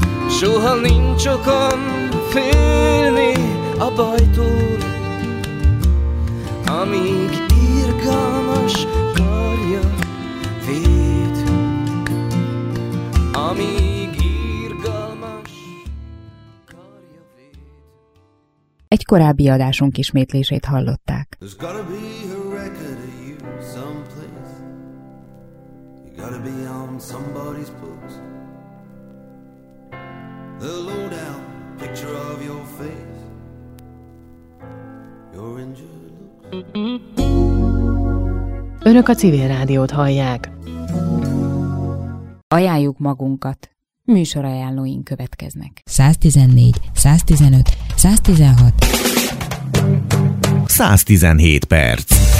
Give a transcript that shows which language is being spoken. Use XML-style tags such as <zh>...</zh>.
<hu>Soha nincs okom félni a bajtól, amíg irgalmas karja véd, amíg irgalmas karja véd. Egy korábbi adásunk ismétlését hallották.</hu> <en>There's gotta be a record of you someplace. You gotta be on somebody's books. The lowdown picture of your face, your injured looks.</en> <hu>Önök a Civil Rádiót hallják. Ajánljuk magunkat. Műsorajánlóink következnek. 114, 115, 116, 117 perc.</hu>